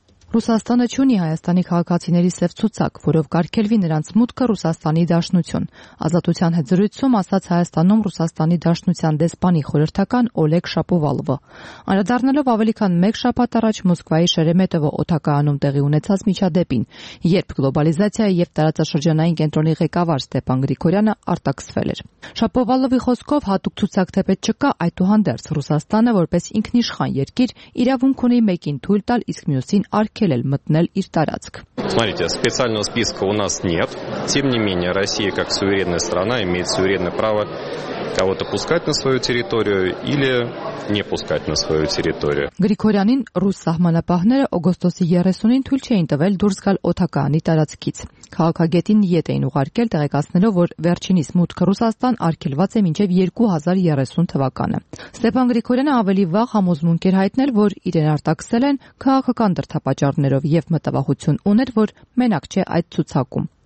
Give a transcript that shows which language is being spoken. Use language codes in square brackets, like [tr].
[hy] Ռուսաստանը չունի Հայաստանի քաղաքացիների սև ցուցակ, որով կարգելվի նրանց մուտքը Ռուսաստանի Դաշնություն։ Ազատության հետ զրույցում ասաց Հայաստանում Ռուսաստանի Դաշնության դեսպանի խորհրդական Օլեգ Շապովալովը։ Անդրադառնալով ավելի քան 1 շաբաթ առաջ Մոսկվայի Շերեմետովո օդակայանում տեղի ունեցած միջադեպին, երբ գլոբալիզացիայի և տարածաշրջանային կենտրոնի ղեկավար Ստեփան Գրիգորյանը արտաքսվել էր։ Շապովալովի խոսքով հատուկ ցուցակ թեպետ չկա, այդուհանդերձ Ռուսաստանը որպես ինքնիշխան երկիր իրավունք ունի մեկին թույլ տալ, իսկ մյուսին արգելել էլ մտնել իր տարածք։ [ru] Смотрите, специального списка у нас нет. Тем не менее, Россия как суверенная страна имеет суверенное право кого-то пускать на свою территорию или не пускать на свою территорию. [hy] Գրիգորյանին ռուս սահմանապահները օգոստոսի 30-ին թույլ չէին տվել դուրս գալ օթակայանի տարածքից։ Քաղաքագետին ետ էին ուղարկել տեղեկացնելով, որ վերջինիս մուտքը Ռուսաստան արգելված է մինչև 2030 թվականը։ Ստեփան Գրիգորյանը ավելի վաղ համոզմունք էր հայտնել, որ իրեն արտաքսել են քաղաքական դրդապատճառներով, և մտավախություն ուներ, որ մենակ չէ այդ ցուցակում։